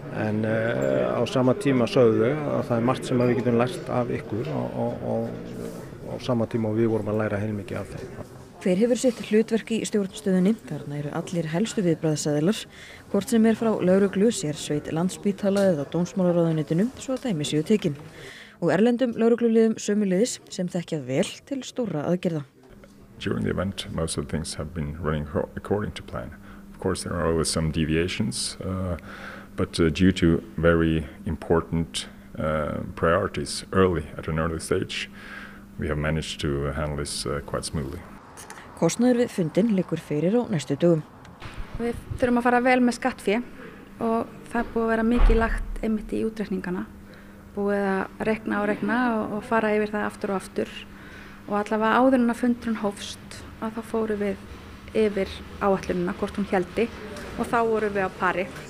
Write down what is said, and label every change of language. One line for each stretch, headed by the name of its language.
Icelandic: En á sama tíma sögðu þau að það margt sem við getum lært af ykkur og á sama tíma og við vorum að læra heilmikið af þeim. Hver hefur sitt hlutverk í stjórnstöðunni, þarna eru allir helstu viðbragðsaðilar, hvort sem er frá lögreglu, sérsveit Landspítala eða dómsmálaráðuneytinu, svo að dæmi séu tekin. Og erlendum lögregluliðum sömuliðis sem þekkja vel til stóra aðgerða.
English: During the event, most of the things have been running according to plan. Of course, there are always some deviations, but due to very important priorities early at an early stage, we have managed to handle this quite smoothly.
Icelandic: Kostnaður við fundin liggur fyrir á næstu dögum. Við þurfum að fara vel með skattfé og það búið að vera mikið lagt einmitt í útreikningana. Búið að rekna og fara yfir það aftur og aftur. Og allavega áður en að fundurinn hófst að þá fórum við yfir áætlunina hvort hún héldi og þá vorum við á pari.